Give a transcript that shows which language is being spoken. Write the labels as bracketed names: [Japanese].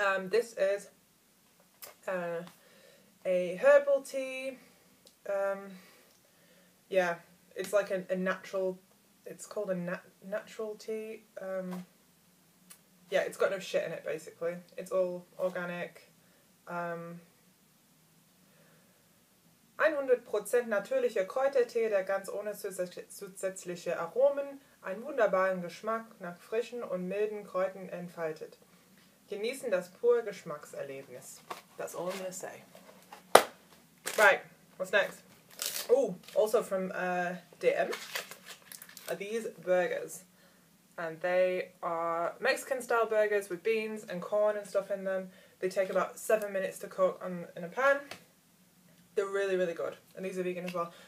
[English] This is a herbal tea. Yeah, it's like a natural, it's called a natural tea. Yeah, it's got no shit in it, basically. It's all organic, [German] 100% natürlicher Kräutertee, der ganz ohne zusätzliche Aromen einen wunderbaren Geschmack nach frischen und milden Kräutern entfaltet. Genießen das pure Geschmackserlebnis. [English] That's all I'm gonna say. Right, what's next? Oh, also from DM are these burgers. And they are Mexican style burgers with beans and corn and stuff in them. They take about 7 minutes to cook in a pan. They're really, really good. And these are vegan as well.